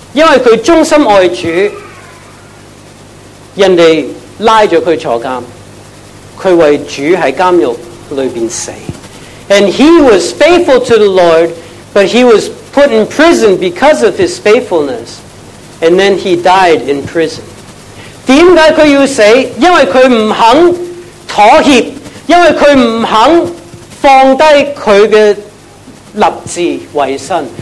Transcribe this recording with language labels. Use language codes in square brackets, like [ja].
[zh] 他的结果呢,就是因为他忠心爱主, 人家拉着他坐监, 他为主在监狱里面死, [en] and he was faithful to the Lord, but he was put in prison because of his faithfulness, and then he died in prison. [zh] 为什么他要死? 因为他不肯妥协, 因为他不肯放低他的立志为身.